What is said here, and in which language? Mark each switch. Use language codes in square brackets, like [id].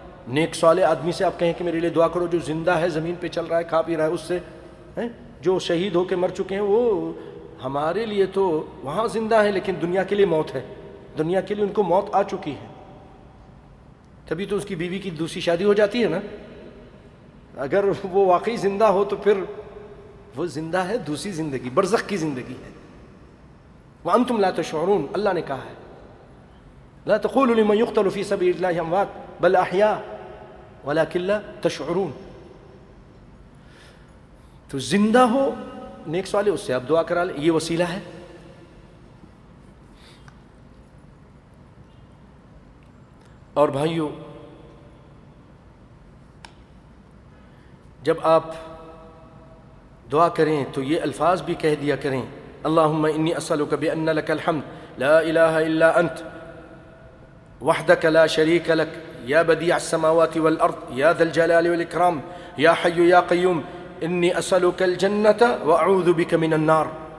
[ur] نیک صالح آدمی سے آپ کہیں کہ میرے لیے دعا کرو جو زندہ ہے زمین پہ چل رہا ہے کھا پی رہا ہے اس سے, جو شہید ہو کے مر چکے ہیں وہ ہمارے لیے تو وہاں زندہ ہیں لیکن دنیا کے لیے موت ہے, دنیا کے لیے ان کو موت آ چکی ہے. تبھی تو اس کی بیوی کی دوسری شادی ہو جاتی ہے نا, اگر وہ واقعی زندہ ہو تو پھر وہ زندہ ہے دوسری زندگی, برزخ کی زندگی ہے. [ar] وانتم لا تشعرون, [ur] اللہ نے کہا ہے [ar] لا تقولوا لمن يقتل في سبيل الله اموات بل احياء ولكن لا تشعرون. [ur] تو زندہ ہو نیک صالح اس سے آپ دعا کرا لیں, یہ وسیلہ ہے. اور بھائیو جب آپ دعا کریں تو یہ الفاظ بھی کہہ دیا کریں, [ar] اللهم انی اسالک بان لک الحمد لا الہ الا انت وحدك لا شريك لك يا بديع السماوات والأرض يا ذا الجلال والإكرام يا حي يا قيوم إني أسألك الجنة وأعوذ بك من النار.